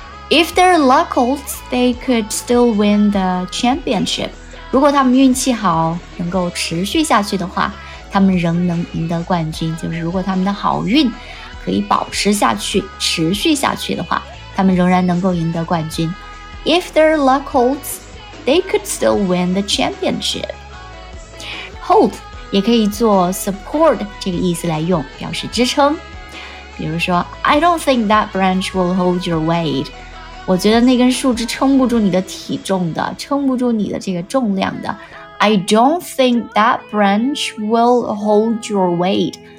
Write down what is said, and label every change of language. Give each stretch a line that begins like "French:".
English: If they're lucky, they could still win the championship.
Chinese: 如果他们运气好，能够持续下去的话，他们仍能赢得冠军。就是如果他们的好运可以保持下去，持续下去的话，他们仍然能够赢得冠军。
English: If they're lucky, they could still win the championship.
Chinese: Hold 也可以做 support 这个意思来用，表示支撑。比如说
English: ，I don't think that branch will hold your weight.
Chinese: 我觉得那根树枝撑不住你的体重的，撑不住你的这个重量的。
English: I don't think that branch will hold your weight.